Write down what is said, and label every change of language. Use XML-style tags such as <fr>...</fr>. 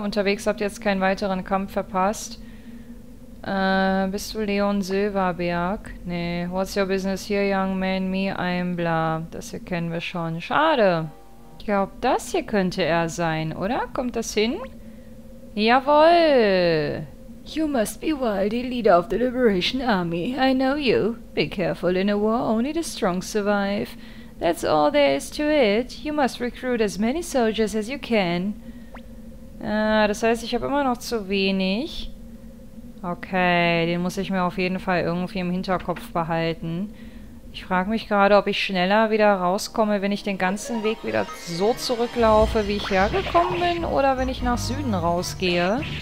<de>Unterwegs habt ihr jetzt keinen weiteren Kampf verpasst. Bist du Leon Silberberg? Nee.</de> <en>What's your business here, young man? Me, I'm bla.</en> <de>Das hier kennen wir schon. Schade. Ich glaube, das hier könnte er sein, oder? Kommt das hin? Jawohl.</de> <en>You must be Wildy, leader of the Liberation Army. I know you. Be careful in a war, only the strong survive. That's all there is to it. You must recruit as many soldiers as you can.</en> <de>Das heißt, ich habe immer noch zu wenig. Okay, den muss ich mir auf jeden Fall irgendwie im Hinterkopf behalten. Ich frage mich gerade, ob ich schneller wieder rauskomme, wenn ich den ganzen Weg wieder so zurücklaufe, wie ich hergekommen bin, oder wenn ich nach Süden rausgehe.</de>